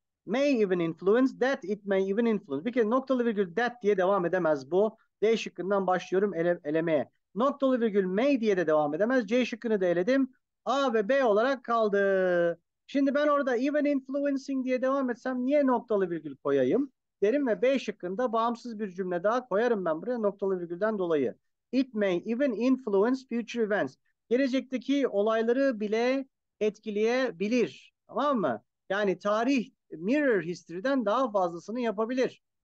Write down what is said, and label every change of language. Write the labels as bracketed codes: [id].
[en] May even influence, that it may even influence. [tr] Bir kere noktalı virgül that diye devam edemez bu. D şıkkından başlıyorum elemeye. Noktalı virgül may diye de devam edemez. C şıkkını da eledim. A ve B olarak kaldı. Şimdi ben orada [en] even influencing [tr] diye devam etsem niye noktalı virgül koyayım? Derim ve B şıkkında bağımsız bir cümle daha koyarım ben buraya noktalı virgülden dolayı. [en] It may even influence future events. [tr] Gelecekteki olayları bile etkileyebilir. Tamam mı? Yani tarih mirror history'den daha fazlasını yapabilir.